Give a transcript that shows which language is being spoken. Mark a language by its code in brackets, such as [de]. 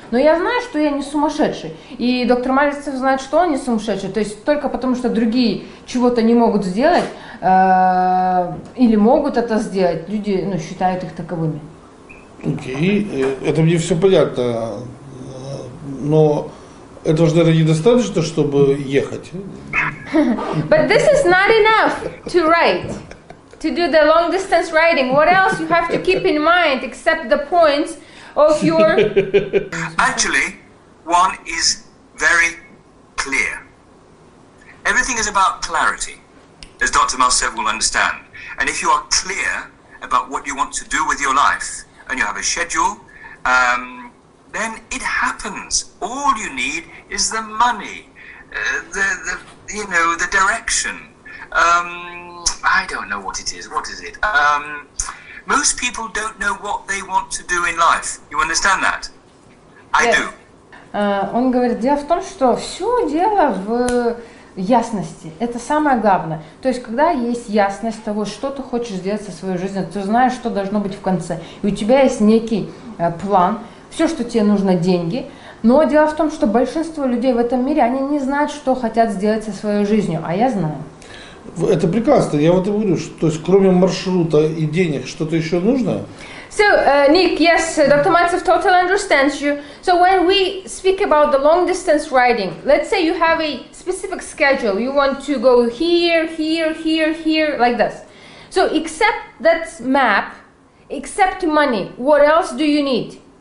[ru] Но я знаю, что я не сумасшедший. И доктор Мальцев знает, что он не сумасшедший. То есть только потому, что другие чего-то не могут сделать или могут это сделать, люди считают их таковыми. Окей, это мне все понятно. Но... Это же, наверное, недостаточно, чтобы ехать. [en] But this is not enough to ride, to do the long distance riding. What else you have to keep in mind except the points of your... Actually, one is very clear. Everything is about clarity, as Dr. Maltsev will understand. And if you are clear about what you want to do with your life, and you have a schedule, then it happens. All you need is the money, the direction. I don't know what it is. What is it? Most people don't know what they want to do in life. You understand that? I yes. do. [ru] Он говорит, дело в том, что все дело в ясности. Это самое главное. То есть, когда есть ясность того, что ты хочешь сделать со своей жизнью, ты знаешь, что должно быть в конце. И у тебя есть некий план. Все, что тебе нужно, деньги. Но дело в том, что большинство людей в этом мире, они не знают, что хотят сделать со своей жизнью. А я знаю. Это прекрасно. Я вот и говорю, что, то есть, кроме маршрута и денег, что-то еще нужно? [en] So, Nick, yes, Dr. Maltsev totally understands you. So, when we speak about the long distance riding, let's say you have a specific schedule. You want to go here, here, here, here, like this. So, except that map, except money, what else do you need?